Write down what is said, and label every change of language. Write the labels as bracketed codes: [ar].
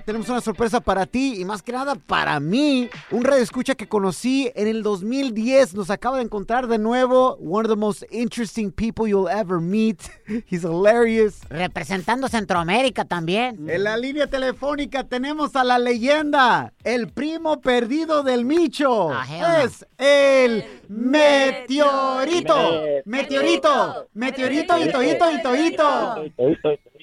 [es] Tenemos una sorpresa para ti y más que nada para mí. Un radioescucha que conocí en el 2010. Nos acaba de encontrar de nuevo. [en] One of the most interesting people you'll ever meet. He's hilarious. [es] Representando Centroamérica también. En la línea telefónica tenemos a la leyenda, el primo perdido del Micho. Es el Meteorito. Meteorito. Meteorito y Toito y Toito.